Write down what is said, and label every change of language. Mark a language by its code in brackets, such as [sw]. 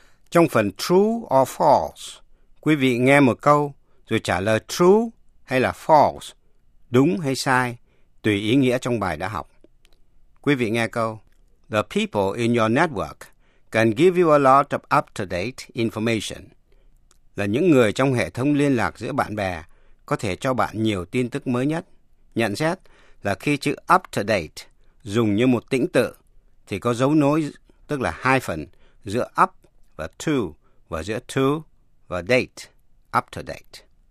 [vi] Trong phần True or False, quý vị nghe một câu rồi trả lời True hay là False, đúng hay sai, tùy ý nghĩa trong bài đã học. Quý vị nghe câu, [en] The people in your network can give you a lot of up-to-date information. [vi] Là những người trong hệ thống liên lạc giữa bạn bè có thể cho bạn nhiều tin tức mới nhất. Nhận xét là khi chữ up-to-date dùng như một tĩnh tự, thì có dấu nối, tức là hai phần, giữa up và to, và giữa to và date, up-to-date.